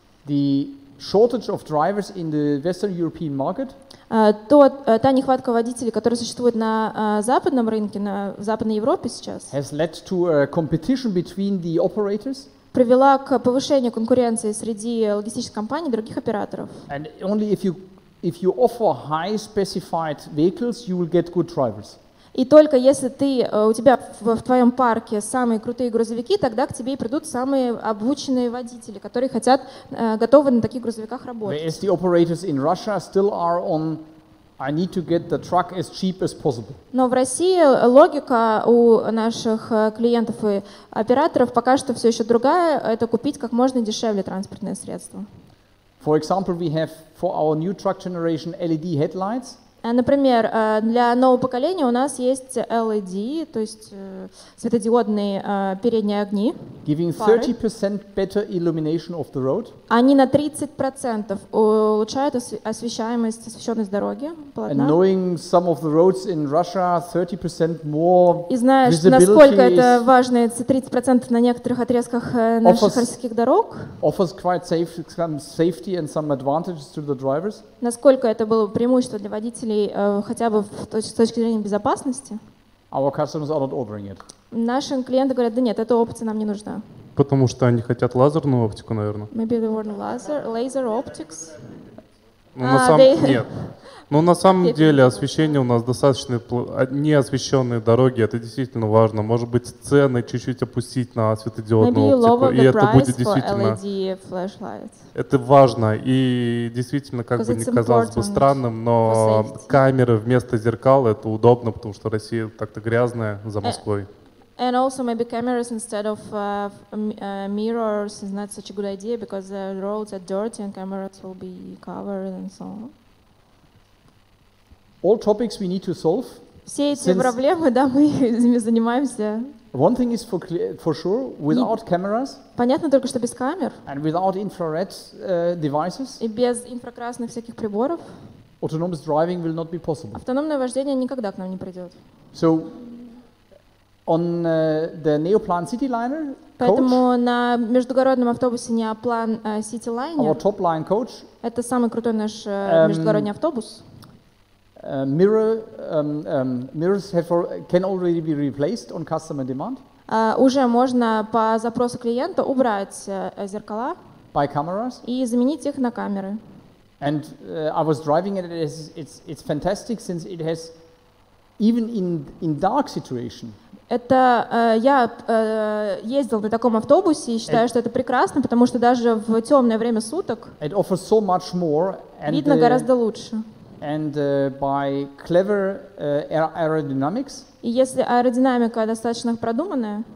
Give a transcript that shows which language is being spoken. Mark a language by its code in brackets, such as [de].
[en] The shortage of drivers in the Western European market. [ru] Та нехватка водителей, которая существует на западном рынке, в Западной Европе сейчас, [en] has led to a competition between the operators, [ru] привела к повышению конкуренции среди логистических компаний других операторов. [en] And only if you offer high specified vehicles, you will get good drivers. [ru] И только если у тебя в твоем парке самые крутые грузовики, тогда к тебе и придут самые обученные водители, которые хотят, готовы на таких грузовиках работать. [en] Whereas the operators in Russia still are on, I need to get the truck as cheap as possible. [ru] Но в России логика у наших клиентов и операторов пока что все еще другая, это купить как можно дешевле транспортное средство. [en] For example, we have for our new truck generation LED headlights. [ru] Например, для нового поколения у нас есть LED, то есть светодиодные передние огни. [en] Giving 30% better illumination of the road. [ru] Они на 30% улучшают освещенность дороги. [en] And knowing some of the roads in Russia, 30% more visibility. [ru] И знаешь, насколько это важно, эти 30% на некоторых отрезках наших российских дорог. [en] Offers quite safety and some advantages to the drivers. [ru] Насколько это было преимущество для водителей хотя бы с точки зрения безопасности. [en] Our customers are not ordering it. [ru] Наши клиенты говорят, да нет, эта опция нам не нужна. Потому что они хотят лазерную оптику, наверное. [en] Maybe they want laser optics. [ru] На самом деле освещение у нас достаточно, неосвещенные дороги, это действительно важно. Может быть, цены чуть-чуть опустить на светодиодную оптику, и это будет действительно... Это важно, и действительно, как бы не казалось бы странным, но камеры вместо зеркал — это удобно, потому что Россия так-то грязная за Москвой. [en] And also maybe cameras instead of mirrors is not such a good idea, because the roads are dirty and cameras will be covered and so on. All topics we need to solve. [ru] Все эти проблемы, да, мы ими занимаемся. [en] One thing is for sure, without cameras. [ru] Понятно только, что без камер. [en] And without infrared devices. [ru] И без инфракрасных всяких приборов. [en] Autonomous driving will not be possible. [ru] Автономное вождение никогда к нам не придет. [en] So on the Neoplan Cityliner coach. [ru] Поэтому на междугородном автобусе Neoplan Cityliner. [en] Our top line coach. [ru] Это самый крутой наш междугородний автобус. [en] Mirrors can already be replaced on customer demand. [ru] Уже можно по запросу клиента убрать зеркала. [en] By cameras. [ru] И заменить их на камеры. [en] And I was driving it. It's fantastic, since it has even in dark situation. [ru] Это я ездил на таком автобусе и считаю, что это прекрасно, потому что даже в темное время суток видно гораздо лучше. [en] And by clever aerodynamics, [ru] и если аэродинамика достаточно продуманная,